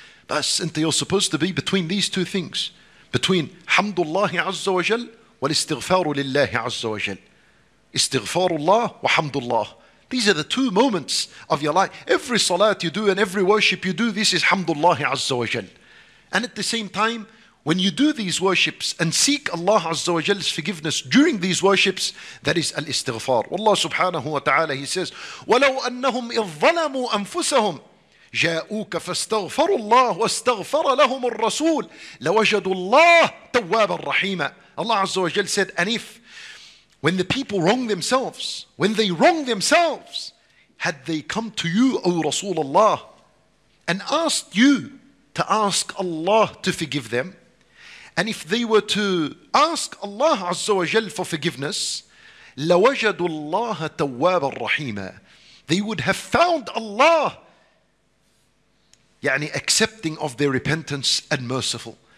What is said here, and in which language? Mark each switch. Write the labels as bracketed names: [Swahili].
[English] Thus, you're supposed to be between these two things, between alhamdulillah azza wa jal, [Arabic] وَالْإِسْتِغْفَارُ لِلَّهِ عَزَّ وَجَلِ إِسْتِغْفَارُ اللَّهِ وَحَمْدُ اللَّهِ. [English] These are the two moments of your life. Every salat you do and every worship you do, this is [Arabic] حَمْدُ عَزَّ وَجَلِ. [English] And at the same time, when you do these worships and seek Allah Azza wa Jal's forgiveness during these worships, that is al-istighfar. Allah subhanahu wa ta'ala, He says, [Arabic] وَلَوْ أَنَّهُمْ إِذْ ظَلَمُوا أَنفُسَهُمْ جَاءُوكَ فَاسْتَغْفَرُوا اللَّهُ وَاسْتَغْفَرَ لَهُمُ الرَّسُولُ لَوَجَدُوا اللَّهُ تَوَّابًا رَحِيمًا. [English] Allah Azza wa Jal said, and if when the people wrong themselves, when they wrong themselves, had they come to you, O Rasulullah, and asked you to ask Allah to forgive them, and if they were to ask Allah Azza wa Jal for forgiveness, [Arabic] لَوَجَدُوا اللَّهَ تَوَّابًا رَحِيمًا, [English] they would have found Allah, يعني accepting of their repentance and merciful.